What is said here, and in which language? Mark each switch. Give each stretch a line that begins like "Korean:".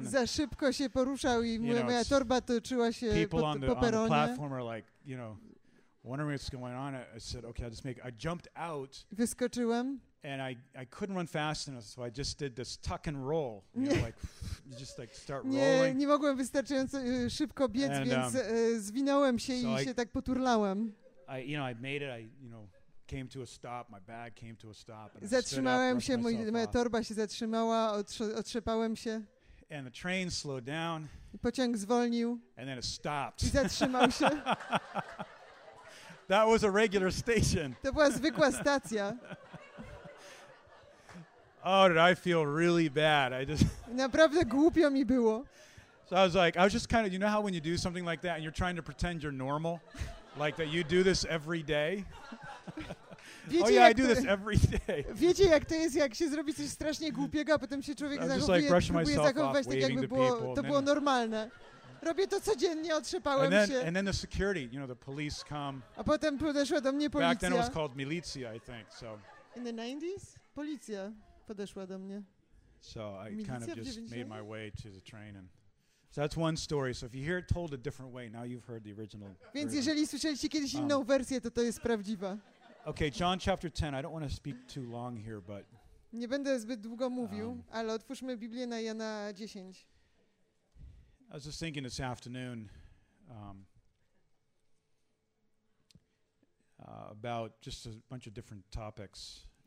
Polish: Pociąg za szybko się poruszał i moja torba toczyła się po peronie.
English: People on the platform are like, you know, wondering what's going on. I said, okay, I'll just make it. I jumped out.
Polish: Wyskoczyłem.
English: And I couldn't run fast enough, so I just did this tuck and roll. You know, like, you just like start rolling.
Polish: Nie, nie mogłem wystarczająco szybko biec,
English: and,
Polish: więc zwinąłem się
English: so
Polish: i się tak poturlałem.
English: I, you know, I made it, I, you know, came to a stop, my bag came to a stop. And
Polish: zatrzymałem
English: I stood up, rushed myself
Polish: moja torba się zatrzymała, otrzepałem się.
English: And the train slowed down.
Polish: I pociąg zwolnił.
English: And then it stopped.
Polish: I zatrzymał się.
English: That was a regular station.
Polish: To była zwykła stacja.
English: Oh, did I feel really bad? I just
Polish: naprawdę głupio mi było.
English: So I was like, I was just kind of, you know how when you do something like that and you're trying to pretend you're normal? Like that you do this every day?
Polish: Wiecie,
English: oh yeah, I do this every day.
Polish: Wiecie, jak to jest, jak się zrobi coś strasznie głupiego, a potem się człowiek zachowuje,
English: like
Polish: próbuje zachowywać tak, jakby było, to było normalne. Robię to codziennie, otrzepałem
English: and then,
Polish: się.
English: And then the security, you know, the police come.
Polish: A potem podeszła do mnie policja.
English: Back then it was called milicja, I think, so. In the 90s?
Polish: Policja. Podeszła do mnie.
English: So I kind of just made my way to the train, and so that's one story. So if you hear it told a different way, now you've heard the original.
Polish: Więc jeżeli słyszeliście kiedyś inną wersję, to jest prawdziwa.
English: Okay, John chapter 10. I don't want to speak too long here, but.
Polish: Nie będę zbyt długo mówił, ale otwórzmy Biblię na Jana 10.
English: I was just thinking this afternoon about just a bunch of different topics.